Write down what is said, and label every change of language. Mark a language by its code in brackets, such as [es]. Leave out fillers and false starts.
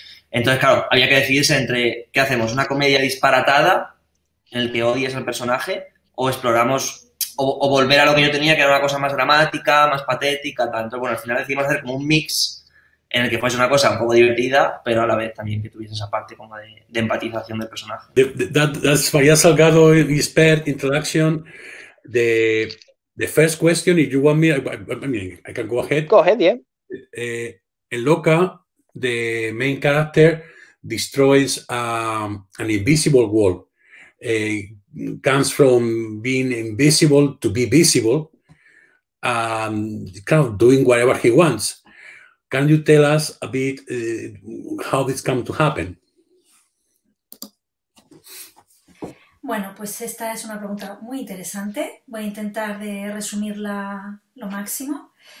[es] Entonces, claro, había que decidirse entre, ¿qué hacemos? ¿Una comedia disparatada en el que odies al personaje o exploramos o volver a lo que yo tenía, que era una cosa más dramática, más patética, tanto? Bueno, al final decidimos hacer como un mix en el que fuese una cosa un poco divertida, pero a la vez también que tuviese esa parte como de empatización del personaje. [en] That's why I Salgado expert introduction. The first question, if you want me, I mean, I can go ahead. Go ahead, yeah. En Loca, the main character destroys an invisible wall. Comes from being invisible to be visible and kind of doing whatever he wants. Can you tell us a bit how this came to happen? [es] Bueno, pues esta es una pregunta muy interesante. Voy a intentar de resumirla lo máximo.